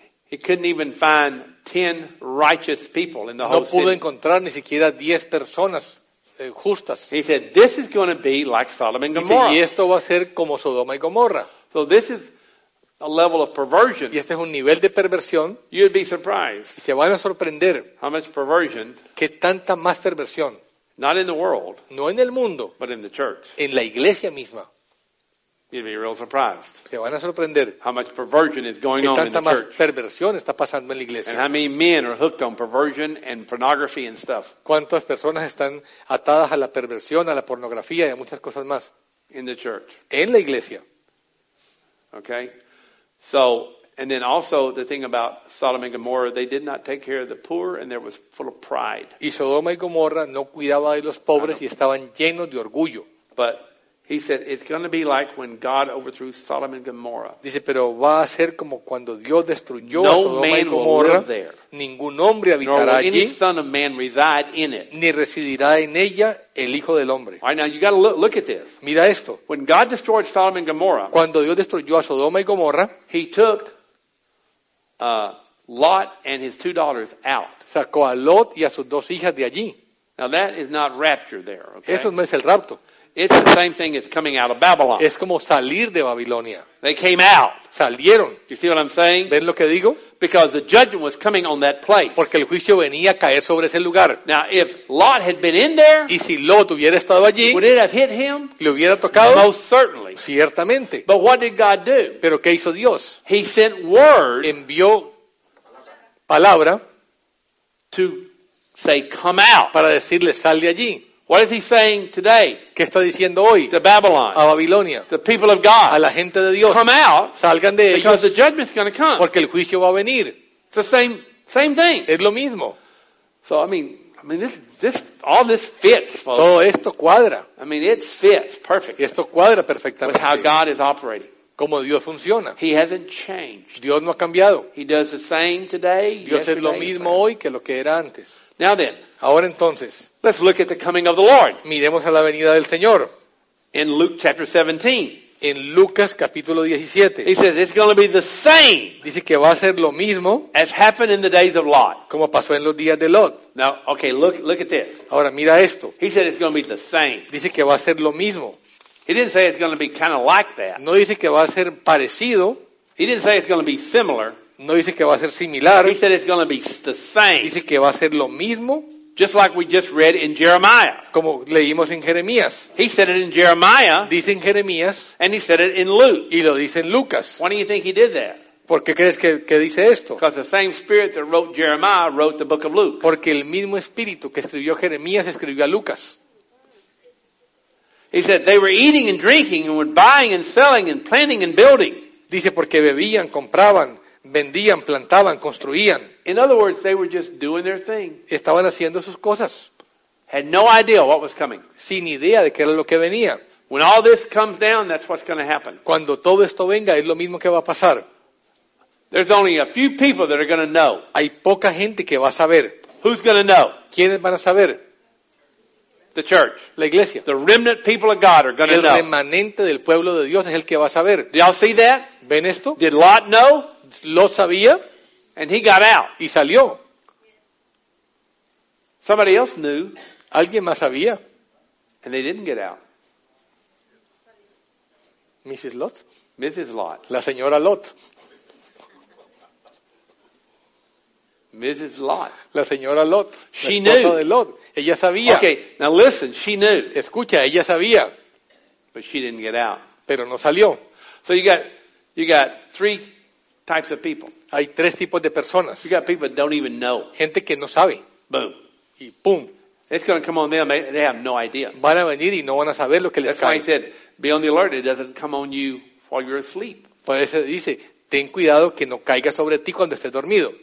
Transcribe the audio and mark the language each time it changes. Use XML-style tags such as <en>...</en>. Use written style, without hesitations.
<en>He couldn't even find 10 righteous people in the whole city.</en> <es>No pudo encontrar ni siquiera 10 personas justas.</es> <en>He said, "This is going to be like Sodom and Gomorrah."</en> <es>Y esto va a ser como Sodoma y Gomorra.</es> <en>So this is a level of perversion.</en> <es>Y este es un nivel de perversión.</es> <en>You'd be surprised.</en> <es>Se van a sorprender.</es> <en>How much perversion?</en> <es>¿Qué tanta más perversión?</es> <en>Not in the world.</en> <es>No en el mundo.</es> <en>But in the church.</en> <es>En la iglesia misma.</es> <en>You'd be real surprised.</en> <es>Se van a sorprender.</es> <en>How much perversion is going on in the church?</en> <es>¿Qué tanta más perversión está pasando en la iglesia?</es> <en>And how many men are hooked on perversion and pornography and stuff?</en> <es>¿Cuántas personas están atadas a la perversión, a la pornografía y a muchas cosas más?</es> <en>In the church.</en> <es>En la iglesia.</es> <en>Okay. So, and then also the thing about Sodom and Gomorrah, they did not take care of the poor and there was full of pride.</en> <es>Y Sodoma y Gomorra no cuidaba de los pobres y estaban llenos de orgullo.</es> <en>But he said it's going to be like when God overthrew Sodom and Gomorrah.</en> <es>Dice, pero va a ser como cuando Dios destruyó no Sodoma y Gomorra.</es> <en>Will live there,</en> <es>ningún hombre habitará</es> <en>nor will</en> <es>allí.</es> <en>Any son of man reside in it.</en> <es>Ni residirá en ella el hijo del hombre.</es> <en>All right, now you got to look at this.</en> <es>Mira esto.</es> <en>When God destroyed Sodom and Gomorrah,</en> <es>cuando Dios destruyó a Sodoma y Gomorra,</es> <en>he took Lot and his two daughters out.</en> <es>Sacó a Lot y a sus dos hijas de allí.</es> <en>Now that is not rapture there, okay?</en> <es>Eso no es el rapto.</es> <en>It's the same thing as coming out of Babylon.</en> <es>Es como salir de Babilonia.</es> <en>They came out.</en> <es>Salieron.</es> <en>You see what I'm saying?</en> <es>¿Ven lo que digo?</es> <en>Because the judgment was coming on that place.</en> <es>Porque el juicio venía a caer sobre ese lugar.</es> <en>Now, if Lot had been in there,</en> <es>y si Lot hubiera estado allí,</es> <en>would it have hit him?</en> <es>¿Le hubiera tocado?</es> <en>Most certainly.</en> <es>Ciertamente.</es> <en>But what did God do?</en> <es>¿Pero qué hizo Dios?</es> <en>He sent word.</en> <es>Envió palabra</es> <en>to say, come out.</en> <es>Para decirle, sal de allí.</es> <en>What is he saying today?</en> <es>¿Qué está diciendo hoy?</es> <en>To Babylon.</en> <es>A Babilonia.</es> <en>The people of God.</en> <es>A la gente de Dios.</es> <en>Come out.</en> <es>Salgan de ellos.</es> <en>Because the judgment's going to come.</en> <es>Porque el juicio va a venir.</es> <en>It's the same thing.</en> <es>Es lo mismo.</es> <en>So I mean this all this fits. Folks.</en> <es>Todo esto cuadra.</es> <en>I mean it fits perfectly.</en> <es>Y esto cuadra perfectamente.</es> <en>With how God is operating.</en> <es>Cómo Dios funciona.</es> <en>He hasn't changed.</en> <es>Dios no ha cambiado.</es> <en>He does the same today.</en> <es>Dios es lo mismo hoy que lo que era antes.</es> <en>Now then.</en> <es>Ahora entonces.</es> <en>Let's look at the coming of the Lord.</en> <es>Miremos a la venida del Señor.</es> <en>In Luke chapter 17.</en> <es>En Lucas capítulo 17.</es> <en>He says it's going to be the same.</en> <es>Dice que va a ser lo mismo.</es> <en>As happened in the days of Lot.</en> <es>Como pasó en los días de Lot.</es> <en>Now, okay, look at this.</en> <es>Ahora mira esto.</es> <en>He said it's going to be the same.</en> <es>Dice que va a ser lo mismo.</es> <en>He didn't say it's going to be kind of like that.</en> <es>No dice que va a ser parecido.</es> <en>He didn't say it's going to be similar.</en> <es>No dice que va a ser similar.</es> <en>He said it's going to be the same.</en> <es>Dice que va a ser lo mismo.</es> <en>Just like we just read in Jeremiah.</en> <es>Como leímos en Jeremías.</es> <en>He said it in Jeremiah.</en> <es>Dice en Jeremías.</es> <en>And he said it in Luke.</en> <es>Y lo dice en Lucas.</es> <en>Why do you think he did that?</en> <es>¿Por qué crees que dice esto?</es> <en>Because the same spirit that wrote Jeremiah wrote the book of Luke.</en> <es>Porque el mismo espíritu que escribió Jeremías escribió a Lucas.</es> <en>He said they were eating and drinking and were buying and selling and planting and building.</en> <es>Dice porque bebían, compraban, vendían, plantaban, construían.</es> <en>In other words, they were just doing their thing.</en> <es>Estaban haciendo sus cosas.</es> <en>Had no idea what was coming.</en> <es>Sin idea de qué era lo que venía.</es> <en>When all this comes down, that's what's going to happen.</en> <es>Cuando todo esto venga, es lo mismo que va a pasar.</es> <en>There's only a few people that are going to know.</en> <es>Hay poca gente que va a saber.</es> <en>Who's going to know?</en> <es>¿Quiénes van a saber?</es> <en>The church.</en> <es>La iglesia.</es> <en>The remnant people of God are going to know.</en> <es>El remanente del pueblo de Dios es el que va a saber.</es> <en>Do y'all see that?</en> <es>¿Ven esto?</es> <en>Did Lot know?</en> <es>Lo sabía.</es> <en>And he got out.</en> <es>Y salió.</es> <en>Somebody else knew.</en> <es>Alguien más sabía.</es> <en>And they didn't get out. Mrs. Lot. Mrs. Lot.</en> <es>La señora Lot.</es> <en>Mrs. Lot.</en> <es>La señora Lot.</es> <en>She knew.</en> <es>La esposa de Lot. Ella sabía.</es> <en>Okay, now listen. She knew.</en> <es>Escucha, ella sabía.</es> <en>But she didn't get out.</en> <es>Pero no salió.</es> <en>So you got three types of people.</en> <es>Hay tres tipos de personas.</es> <en>You got people that don't even know.</en> <es>Gente que no sabe.</es> <en>Boom.</en> <es>Y pum.</es> <en>It's going to come on them. They have no idea.</en> <es>Van a venir y no van a saber lo que les cae.</es> <en>That's why he said, be on the alert. It doesn't come on you while you're asleep.</en> <es>Por eso dice, ten cuidado que no caiga sobre ti cuando estés dormido.</es>